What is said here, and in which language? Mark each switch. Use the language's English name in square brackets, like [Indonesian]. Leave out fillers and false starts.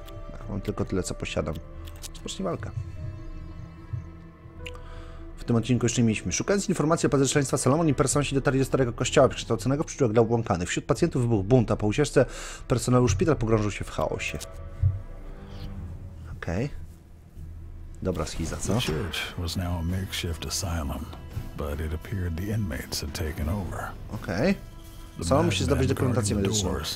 [Polish] Tak, mam tylko tyle co posiadam. Rozpocznij walkę. W tym odcinku jeszcze nie mieliśmy. Szukając informacji o podejrzeństwa Salomon i personsi dotarli do starego kościoła, przekształconego w przyczółek dla obłąkanych. Wśród pacjentów wybuchł bunt, a po ucieczce personelu szpitala pogrążył się w chaosie. Okej. Okay. Dobra schiza, co? [English] The church was now a makeshift asylum, but it appeared the inmates had taken over. Okej. Okay. [Polish] Salomon musi zdobyć dokumentację medyczną.